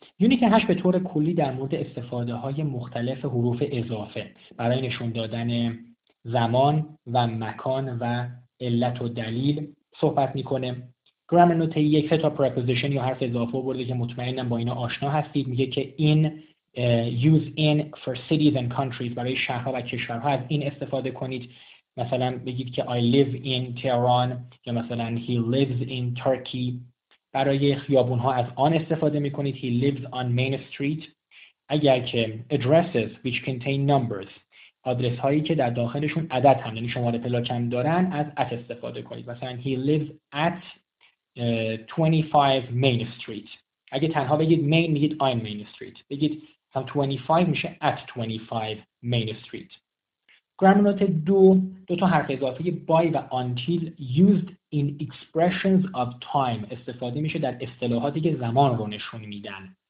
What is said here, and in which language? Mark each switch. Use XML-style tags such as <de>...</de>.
<fa>یونیت 8 به طور کلی در مورد استفاده های مختلف حروف اضافه برای نشون دادن زمان و مکان و علت و دلیل صحبت میکنه. گرامر نوت 1 سه تا پرپوزیشن یا حرف اضافه برده که مطمئنم با اینا آشنا هستید. میگه که این</fa> <en>use in for cities and countries،</en> <fa>برای شهرها و کشورها از این استفاده کنید. مثلا بگید که</fa> <en>I live in Tehran</en> <fa>یا مثلا</fa> <en>He lives in Turkey.</en> <fa>برای خیابون ها از آن استفاده می کنید.</fa> <en>He lives on Main Street.</en> <fa>اگر که</fa> <en>addresses which contain numbers،</en> <fa>آدرس هایی که در داخلشون عدد هم، یعنی شماره پلاک هم دارن، از at استفاده کنید.</fa> <en>مثلا He lives at 25 Main Street.</en> <fa>اگه تنها بگید Main، میگید</fa> <en>I'm Main Street.</en> <fa>بگید هم 25 میشه</fa> <en>at 25 Main Street.</en> <fa>گرامر نوت 2، دو تا حرف اضافه by و until</fa> <en>used in expressions of time،</en> <fa>استفاده میشه در اصطلاحاتی که زمان رو نشون میدن.</fa>